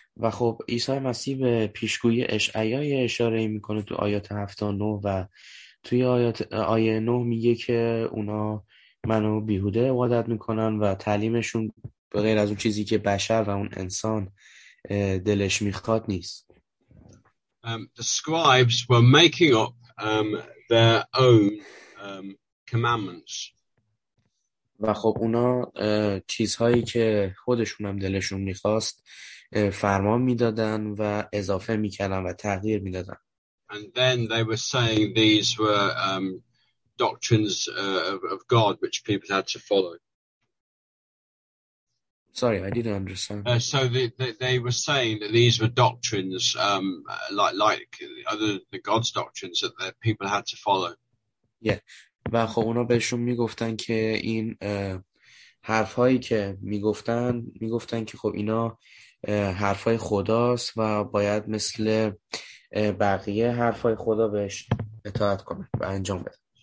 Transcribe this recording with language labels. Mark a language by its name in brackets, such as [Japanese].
[Persian] و خب عیسی مسیح به پیشگویی اشعیا اشاره‌ای می‌کنه تو آیات 7 و 9 و توی آیه 9 میگه که اونا منو بیهوده عبادت میکنن و تعلیمشون به غیر از اون چیزی که بشر و اون انسان دلش میخواد نیست. [English] The scribes were making up their own commandments. [Persian] و خب اونا چیزهایی که خودشون هم دلشون میخواست فرمان میدادن و اضافه میکردن و تغییر میدادن. [English] And then they were saying these were doctrines of God, which people had to follow. Sorry, I didn't understand. So they were saying that these were doctrines, like other the God's doctrines that their people had to follow. Yeah, [Persian] و خب اونا بهشون میگفتن که این حرفهایی که میگفتن که خب اینا حرفهای خداست و باید مثل بقیه حرفای خدا بهش اطاعت کنه و انجام بده.